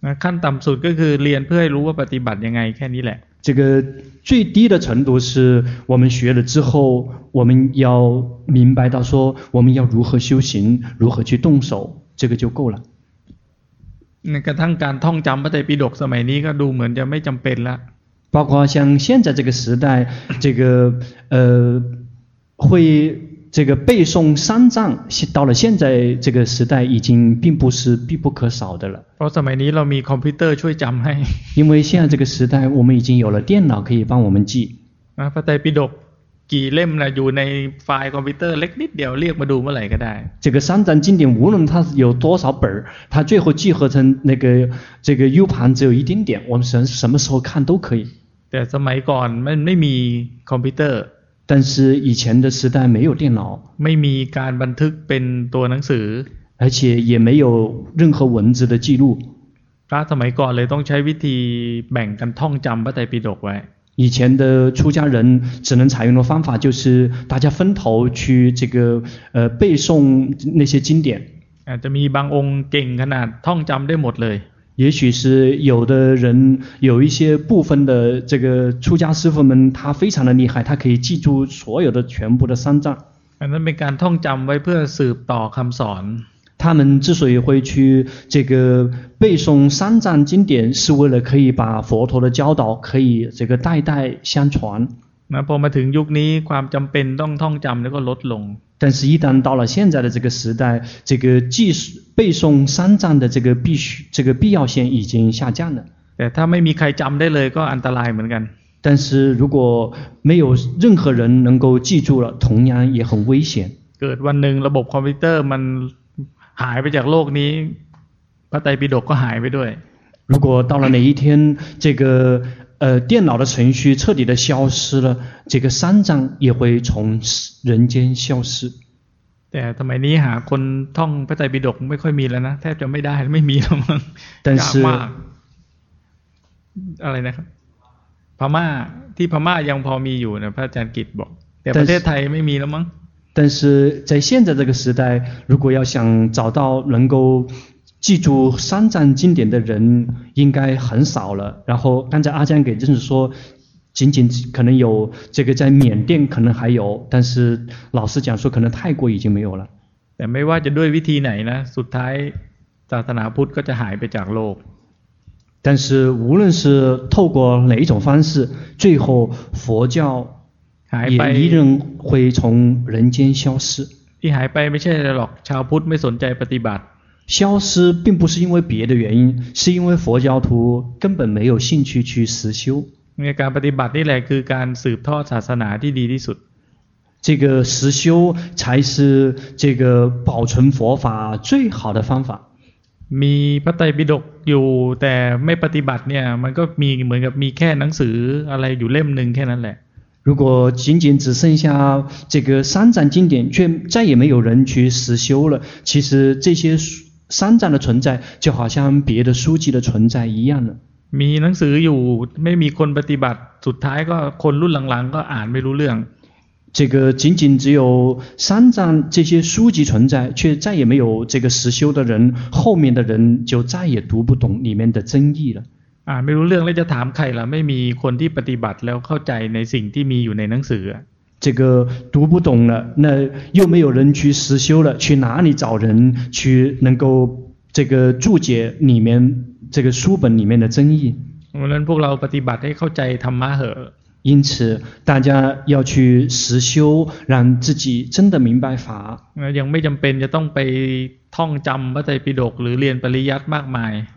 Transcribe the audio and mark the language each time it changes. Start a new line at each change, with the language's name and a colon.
Thai: ขั้นต่ำสุดก็คือเรียนเพื่อให้รู้ว่าปฏิบัติยังไงแค่นี้แหละ
Chinese: 这个最低的程度是我们学了之后我们要明白到说我们要如何修行如何去动手这个就够了
Thai: กระทั่งการท่องจำพระไตรปิฎกสมัยนี้ก็ดูเหมือนจะไม่จำเป็นละ
Chinese: 包括像现在这个时代这个会这个背诵三藏到了现在这个时代已经并不是必不可少的了
Thai: เพราะสมัยนี้เรามีคอมพิวเตอร์ช่วยจำให้
Chinese: 因为现在这个时代我们已经有了电脑可以帮我们记
Thai: พระไตรปิฎกกี่เล่มนะอยู่ในไฟล์คอมพิวเตอร์เล็กนิดเดียวเรียกมาดูเมื่อไหร่ก็ได้
Chinese: 这个三藏经典无论它有多少本它最后集合成那个这个 U 盘只有一点点我们什么时候看都可以
Thai: แต่สมัยก่อนมันไม่มีคอมพิวเตอร์
Chinese: 但是以前的时代没有电脑
Thai: ไม่มีการบันทึกเป็นตัวหนังสือ
Chinese: 而且也没有任何文字的记录。
Thai: พระสมัยก่อนเลยต้องใช้วิธีแบ่งกันท่องจำพระไตรปิฎกไว้
Chinese: 以前的出家人只能采用的方法就是大家分头去这个背诵那些经典
Thai: จะมีบางองค์เก่งขนาดท่องจำได้หมดเลย
Chinese: 也许是有的人有一些部分的这个出家师父们他非常的厉害他可以记住所有的全部的三藏
Thai: อันนั้นเป็นการท่องจำไว้เพื่อสืบต่อคำสอน
Chinese: 他们之所以会去这个背诵三藏经典，是为了可以把佛陀的教导可以这个代代相传。
Thai: 那พอมาถึงยุคนี้ความจำเป็นต้องท่องจำแล้วก็ลดลง。
Chinese: 但是，一旦到了现在的这个时代，这个记背诵三藏的这个必须这个必要性已经下降了。
Thai: แต่ถ้าไม่มีใครจำได้เลยก็อันตรายเหมือนกัน。
Chinese: 但是如果没有任何人能够记住了，同样也很危险。
Thai: เกิดวันหนึ่งระบบคอมพิวเตอร์มันหายไปจากโลกนี้พระไตรปิฎกก็หายไปด้วย
Chinese: 如果到了哪一天这个电脑的程序彻底的消失了这个三藏也会从人间消失
Thai: แต่ทำไมนี้หาคนท่องพระไตรปิฎกไม่ค่อยมีแล้วนะแทบจะไม่ได้ไม่มีแล้วมั้ง แต่是 อะไรนะครับพม่าที่พม่ายังพอมีอยู่นะพระอาจารย์กิตบอกแต่ประเทศไทยไม่มีแล้วมั้ง แต่ในยุคนี้
Chinese: 这个时代如果要想找到能够记住三藏经典的人应该很少了然后刚才阿江给认识说仅仅可能有这个在缅甸可能还有但是老师讲说可能泰国已经没有了
Thai: แต่ไม่ว่าจะด้วยวิธีไหนนะสุดท้ายศาสนาพุทธก็จะหายไปจากโลก
Chinese: 但是无论是透过哪一种方式最后佛教也一定会从人间消失。
Thai: ที่หายไปไม่ใช่หรอกชาวพุทธไม่สนใจปฏิบัติ。
Chinese: 消失并不是因为别的原因，是因为佛教徒根本没有兴趣去实修。
Thai: ในการปฏิบัตินี่แหละคือการสืบทอดศาสนาที่ดีที่สุด。
Chinese: 这个实修才是这个保存佛法最好的方法。
Thai: มีพระไตรปิฎกอยู่แต่ไม่ปฏิบัติเนี่ยมันก็มีเหมือนกับมีแค่หนังสืออะไรอยู่เล่มนึงแค่นั้นแหละ。
Chinese: 如果仅仅只剩下这个三藏经典却再也没有人去实修了其实这些三藏的存在就好像别的书籍的存在一样了
Thai: มีหนังสืออยู่ไม่มีคนปฏิบัติสุดท้ายก็คนรุ่นหลังๆก็อ่านไม่รู้เรื่อง
Chinese: 这个仅仅只有三藏这些书籍存在却再也没有这个实修的人后面的人就再也读不懂里面的真意了
Thai: ไม่รู้เรื่องแล้วจะถามใครล่ะไม่มีคนที่ปฏิบัติแล้วเข้าใจในสิ่งที่มีอยู่ในหนังสือ
Chinese: 这个读不懂了那又没有人去实修了去哪里找人去能够这个注解里面这个书本里面的真意
Thai: เพราะฉะนั้นพวกเราปฏิบัติให้เข้าใจธรรมะเถอะ
Chinese: 因此大家要去实修让自己真的明白法
Thai: ยังไม่จําเป็นจะต้องไปท่องจำพระไตรปิฎกหรือเรียนปริยัติมากมาย